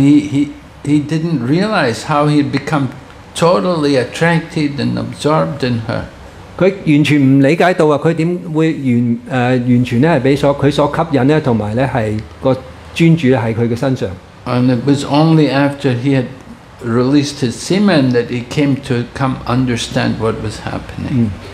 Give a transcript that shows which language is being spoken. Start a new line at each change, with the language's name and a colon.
English: he didn't realize how he had become totally attracted and absorbed in her.
Chinese: 他完全不理解到他怎麼會完全被他所吸引，以及專注在他的身上。
English: And it was only after he had released his semen that he came to come understand what was happening.